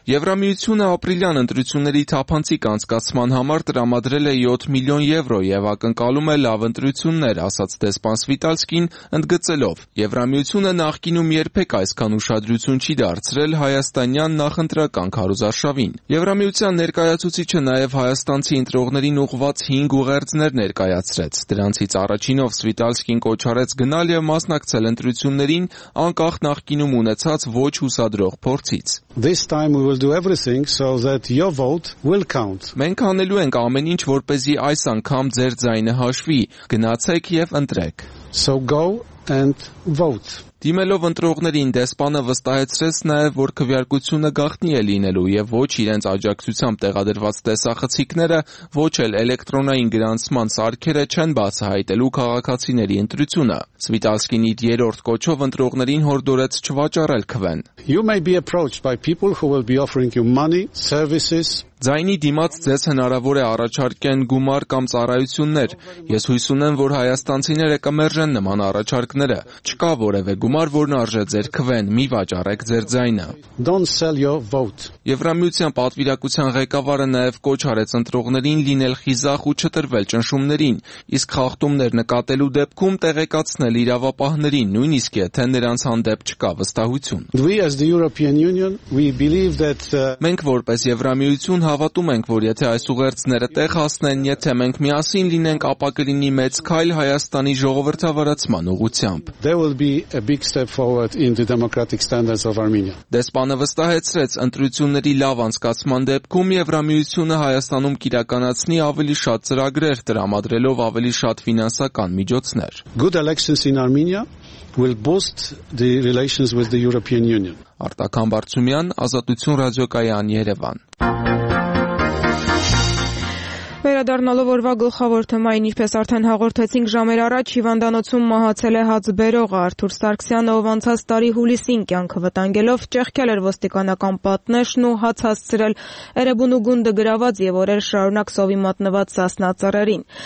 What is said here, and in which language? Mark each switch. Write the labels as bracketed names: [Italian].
[Armenian] Եվրամիությունը ապրիլյան ընտրությունների թափանցիկ անցկացման համար տրամադրել է 7 միլիոն եվրո եւ ակնկալում է լավ ընտրություններ, ասաց դեսպան Սվիտալսկին ընդգծելով։ Եվրամիությունը նախկինում երբեք այսքան ուշադրություն չի դարձրել հայաստանյան նախընտրական քարոզարշավին։ Եվրամիության ներկայացուցիչը նաեւ հայաստանցի ընտրողներին ուղղված 5 ուղերձներ ներկայացրեց, դրանցից առաջինով Սվիտալսկին կոչ արեց գնալ եւ մասնակցել ընտրություններին անկախ նախկինում ունեցած ոչ հուսադրող փորձից։ [English] This time we will do everything so that your vote will count. [Armenian] Մենք անելու ենք ամեն ինչ, որպեսզի այս անգամ ձեր ձայնը հաշվի, գնացեք եւ ընտրեք։ [English] So go and vote. [Armenian] Դիմելով ընտրողներին դեսպանը վստահեցրեց նաև, որ քվեարկությունը գաղտնի է լինելու եւ ոչ իրենց աջակցությամբ տեղադրված տեսախցիկները, ոչ էլ էլեկտրոնային գրանցման սարքերը չեն բացահայտելու քաղաքացիների ընտրությունը։ Սվիտալսկին իր երրորդ կոչով ընտրողներին հորդորեց չվաճառել քվեն։ [English] You may be approached by people who will be offering you money, services. [Armenian] Ձայնի դիմաց ձեզ հնարավոր է առաջարկեն գումար կամ ծառայություններ։ Ես հույս ունեմ, որ հայաստանցիները կմերժեն նման առաջարկները։ Չկա որևէ գումար, որն արժե ձեր քվեն, մի վաճառեք ձեր ձայնը։ [English] Don't sell your vote. [Armenian] Եվրամիության պատվիրակության ղեկավարը նաև կոչ արեց ընտրողներին լինել խիզախ ու չտրվել ճնշումներին, իսկ խախտումներ նկատելու դեպքում տեղեկացնել իրավապահներին, նույնիսկ եթե նրանց հանդեպ չկա վստահություն։ [English] We as the European Union, we believe that [Armenian] Մենք որպես Եվրամիություն հավատում ենք, որ եթե այս ուղերձները տեղ հասնեն, եթե մենք միասին լինենք, ապա կլինի մեծ քայլ Հայաստանի ժողովրդավարացման ուղղությամբ։ [English] There will be a big step forward in the democratic standards of Armenia. [Armenian] Դեսպանը վստահեցրեց, ընտրությունների լավ անցկացման դեպքում Եվրամիությունը Հայաստանում կիրականացնի ավելի շատ ծրագրեր, տրամադրելով ավելի շատ ֆինանսական միջոցներ։ [English] Good elections in Armenia will boost the relations with the European Union. [Armenian] Արտակ Համբարձումյան, Ազատություն ռադիոկայան, Երևան։ Վերադառնալով օրվա գլխավոր թեմային, ինչպես արդեն հաղորդեցինք ժամեր առաջ, հիվանդանոցում մահացել է հաց բերողը Արթուր Սարգսյանը, ով անցած տարի հուլիսին կյանքը վտանգելով ճեղքել էր ոստիկանական պատնեշն ու հաց հասցրել Էրեբունու գունդը գրաված եւ օրեր շարունակ սովի մատնված Սասնա ծառերին։